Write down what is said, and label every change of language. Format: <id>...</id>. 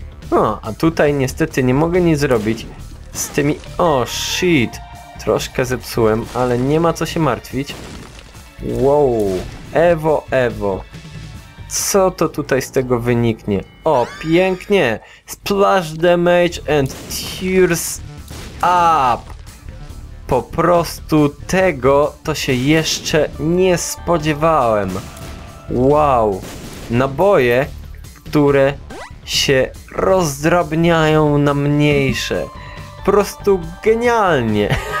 <pl>No, a tutaj niestety nie mogę nic zrobić z tymi... O shit, troszkę zepsułem, ale nie ma co się martwić. Wow, Ewo. Co to tutaj z tego wyniknie? O, pięknie!</pl> <en>Splash damage and tears up!</en> <pl>Po prostu tego to się jeszcze nie spodziewałem. Wow, naboje, które się rozdrabniają na mniejsze. Po prostu genialnie!</pl>